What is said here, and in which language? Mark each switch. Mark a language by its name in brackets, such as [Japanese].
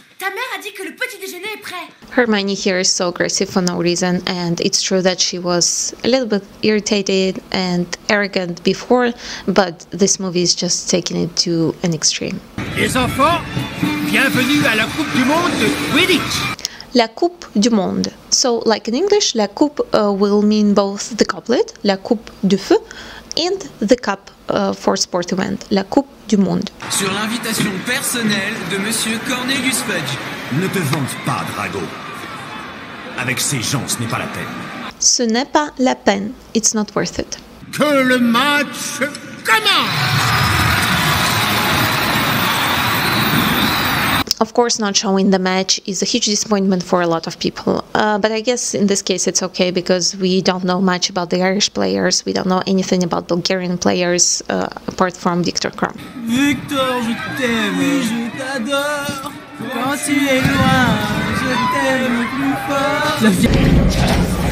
[French] Ta mère a dit que le petit déjeuner est prêt. [English] Hermione here is so aggressive for no reason, and it's true that she was a little bit irritated and arrogant before, but this movie is just taking it to an extreme. [French] Les enfants, bienvenue à la Coupe du Monde de Quidditch. La Coupe du Monde. [English] So, like in English, la coupe will mean both the goblet, la coupe du feu, and the cup for sport event, la Coupe du Monde. [French] Sur l'invitation personnelle de Monsieur Cornelius Fudge. Ne te vante pas, Drago. Avec ces gens, ce n'est pas la peine. Ce n'est pas la peine. [English] It's not worth it. [French] Que le match commence! [English] Of course, not showing the match is a huge disappointment for a lot of people. But I guess in this case it's okay because we don't know much about the Irish players. We don't know anything about Bulgarian players apart from Viktor Krum. [French] Victor, je t'aime. Oui, je t'adore. Quand tu es loin, je t'aime plus fort.